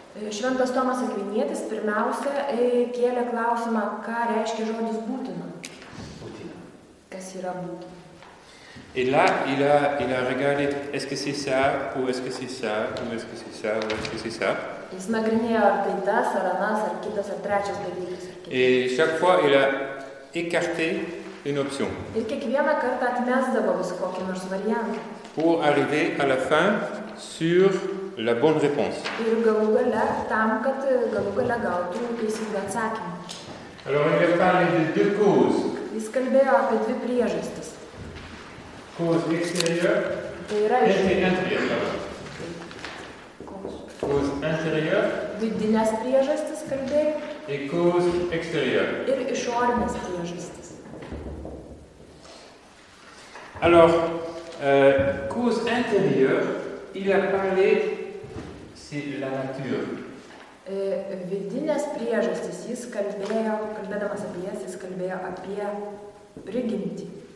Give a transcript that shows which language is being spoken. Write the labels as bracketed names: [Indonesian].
[Lithuanian] Šventas Tomas Akvinietis pirmiausia kėlė klausimą, ką reiškia žodis būtina. Kas yra būtina? [French] Et là, il a regardé, est-ce que c'est ça, ou est-ce que c'est ça, ou est-ce que c'est ça, ou est-ce que c'est ça. [Lithuanian] Jis nagrinėjo ar tai tas, ar anas, ar kitas, ar trečias dalykas. [French] Et chaque fois, il a écarté une option. [Lithuanian] Ir kiekvieną kartą atmesdavo vis kokį nors variantą. [French] Pour arriver à la fin sur la bonne réponse. [Lithuanian] Ir galų gale, tam, kad galų gale gautų teisingą atsakymą. [French] Alors, il a parlé de deux causes. [Lithuanian] Jis kalbėjo apie dvi priežastis. [French] Cause extérieure et intérieure. [Lithuanian] Cause priežastis kalbėjo. [French] Et cause extérieure. [Lithuanian] Ir išorinės priežastis. [French] Alors, cause intérieure, il a parlé, c'est la nature. [Lithuanian] Vidinės priežastis, jis kalbėjo, kalbėdamas apie jas, jis kalbėjo apie prigimtį.